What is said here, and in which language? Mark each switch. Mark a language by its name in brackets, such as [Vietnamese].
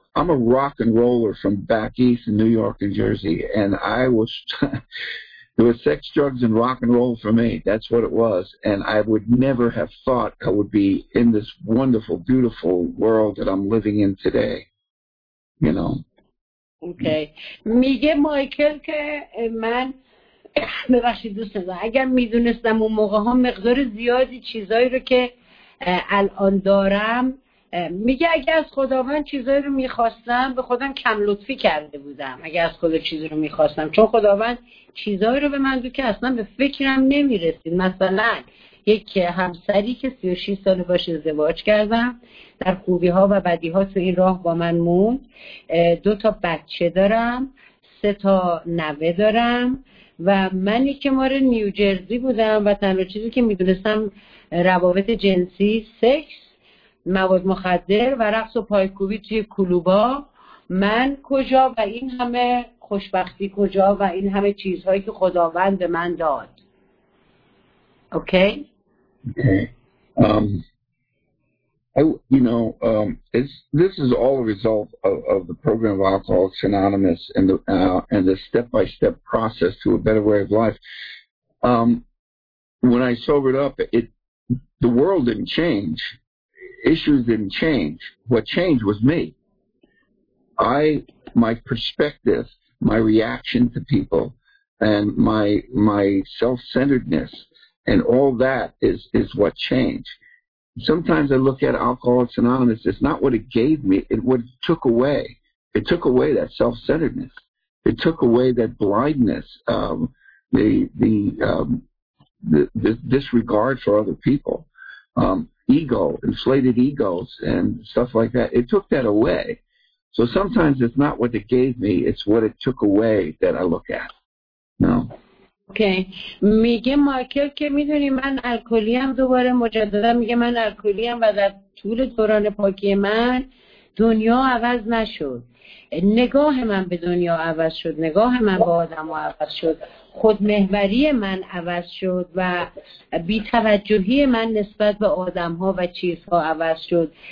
[English] I'm a rock and roller from back east in New York and Jersey, and I was. It was sex, drugs, and rock and roll for me. That's what it was. And I would never have thought I would be in this wonderful, beautiful world that I'm living in today. You know? Okay. [Persian] میگه مایکل که من ببخشید دوست ندارم. اگر میدونستم اون موقع ها مقدار زیادی چیزایی رو که الان دارم، میگه اگه از خداوند چیزایی رو میخواستم به خودم کم لطفی کرده بودم. اگه از خدا چیزی رو میخواستم، چون خداوند چیزایی رو به من دو که اصلا به فکرم نمیرسید. مثلا یک همسری که 36 ساله باشه ازدواج کردم، در خوبی ها و بدی ها تو این راه با من موند، دو تا بچه دارم، سه تا نوه دارم و منی که مار نیوجرسی بودم و تنها چیزی که میدونستم روابط جنسی، سکس، مواد مخدر و رقص و پایکوبی توی کلوبا، من کجا و این همه خوشبختی کجا و این همه چیزهایی که خداوند به من داد. [English] This is all a result of the program of Alcoholics Anonymous and the step-by-step process to a better way of life. When I sobered up, the world didn't change. Issues didn't change. What changed was me. My perspective, my reaction to people, and my self-centeredness, and all that is what changed. Sometimes I look at Alcoholics Anonymous, it's not what it gave me, it what it took away. It took away that self-centeredness. It took away that blindness, the disregard for other people, ego, inflated egos, and stuff like that. It took that away. So sometimes it's not what it gave me, it's what it took away that I look at. No. Okay. [Persian] میگه مایکل که میدونی من الکلی هم، دوباره مجددا میگه من الکلی هم و در طول دوران پاکی من دنیا عوض نشد، نگاه من به دنیا عوض شد، نگاه من به آدم عوض شد، خودمحوری من عوض شد و بیتوجهی من نسبت به آدم ها و چیزها عوض شد.